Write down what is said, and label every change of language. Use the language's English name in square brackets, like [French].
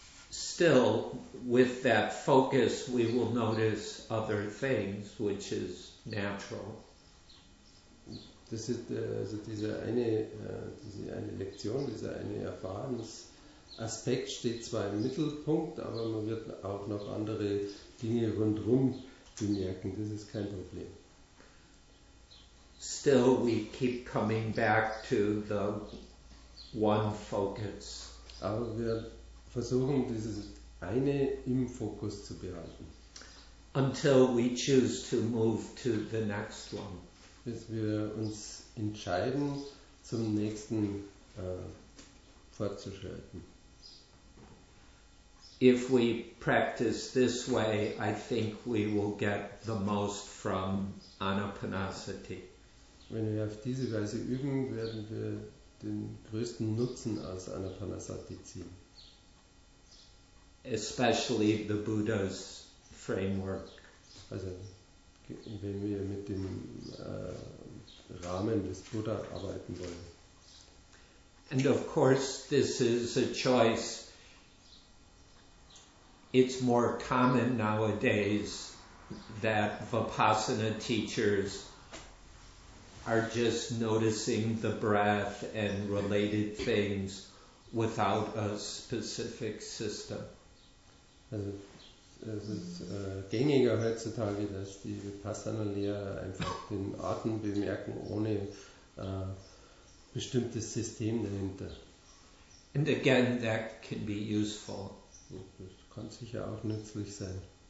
[English] Still, with that focus, we will notice other things, which is natural. [German] Das ist also diese eine Lektion, dieser eine Erfahrung. Aspekt steht zwar im Mittelpunkt, aber man wird auch noch andere Dinge rundherum bemerken. Das ist kein Problem. [English] Still, we keep coming back to the one focus. [German] Aber wir versuchen, dieses eine im Fokus zu behalten. [English] Until we choose to move to the next one. [German] Bis wir uns entscheiden, zum nächsten fortzuschreiten. [English] If we practice this way, I think we will get the most from Anapanasati. [German] Wenn wir auf diese Weise üben, werden wir den größten Nutzen aus Anapanasati ziehen. [English] Especially the Buddha's framework. [German] Also, wenn wir mit dem Rahmen des Buddha arbeiten wollen. [English] And of course, this is a choice. It's more common nowadays that Vipassana teachers are just noticing the breath and related things without a specific system. [German] Also es ist gängiger heutzutage, dass die Vipassana-Lehrer einfach den Atem bemerken ohne bestimmtes System dahinter. [English] And again, that can be useful. [German] Kann sicher auch nützlich sein.